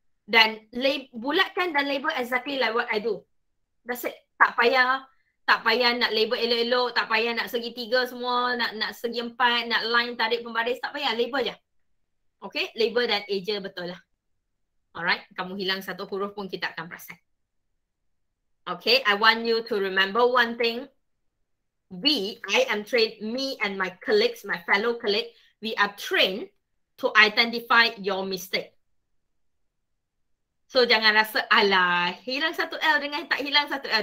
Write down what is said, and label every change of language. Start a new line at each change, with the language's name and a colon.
Malay: Dan bulatkan dan label
English: exactly like what I do. That's it.
Malay: Tak payah nak label elok-elok, tak payah nak segi tiga semua, nak segi empat, nak line tarik pembaris, tak payah. Label je. Okay, label dan eja betul lah. Alright, kamu hilang satu huruf pun kita akan perasan.
English: Okay, I want you to remember one thing. Me and my colleagues, my fellow colleagues, we are trained to identify your mistake.
Malay: So jangan rasa, alah, hilang satu L dengan tak hilang satu L.